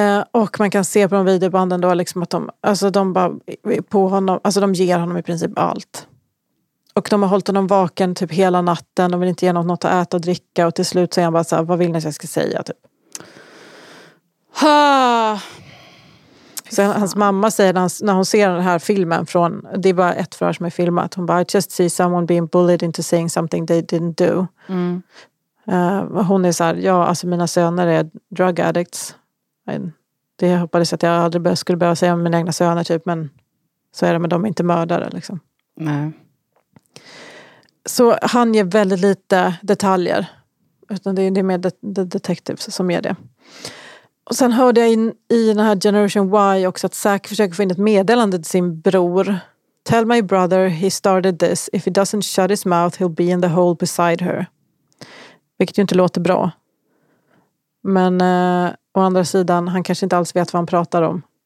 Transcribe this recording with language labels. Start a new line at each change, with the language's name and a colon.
Swedish: Och man kan se på de videobanden då liksom att de bara på honom, alltså de ger honom i princip allt. Och de har hållit honom vaken typ hela natten. De vill inte ge honom något att äta och dricka. Och till slut säger han bara så här, vad vill ni att jag ska säga? Typ. Så hans mamma säger när hon ser den här filmen från, det är bara ett förhör som är filmat. Hon bara,
English: I just see someone being bullied into saying something they didn't do. Mm.
Swedish: Hon är så här, ja, alltså mina söner är drug addicts. Det hoppades att jag aldrig skulle behöva säga om mina egna söner typ. Men så är det, men de är inte mördare liksom. Nej. Så han ger väldigt lite detaljer. Utan det är mer detectives som ger det. Och sen hörde jag i den här Generation Y också att Zach försöker få in ett meddelande till sin bror.
English: Tell my brother he started this. If he doesn't shut his mouth he'll be in the hole beside her.
Swedish: Vilket ju inte låter bra. Men å andra sidan, han kanske inte alls vet vad han pratar om.